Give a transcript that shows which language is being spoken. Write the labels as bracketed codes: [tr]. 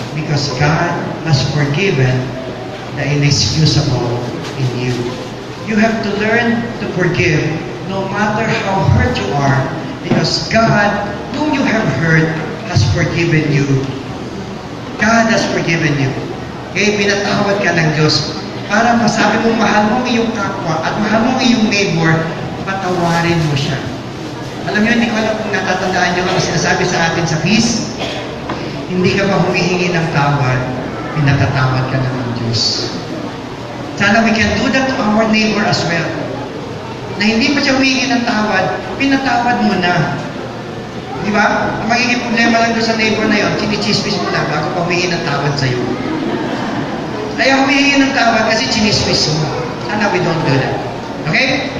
[en] Because God has forgiven the inexcusable in you. You have to learn to forgive no matter how hurt you are, because God, whom you have hurt, has forgiven you. God has forgiven you. [tl] Okay, pinatawad ka ng Diyos para masabi mo, mahal mo ang iyong kapwa at mahal mo ang iyong neighbor, patawarin mo siya. Alam nyo, hindi ko alam kung natatandaan nyo ang sinasabi sa atin sa peace. Hindi ka ba humihingi ng tawad, pinatatawad ka ng Diyos. [en] Sana we can do that to our neighbor as well. [tl] Na hindi pa siya humihingi ng tawad, pinatawad mo na. Di ba? Ang magiging problema lang doon sa neighbor na yun, chinichismis mo na bago pa humihingi ng tawad sa'yo. Ayaw humihingi ng tawad kasi chinismis mo. [en] Sana we don't do that. [tl] Okay?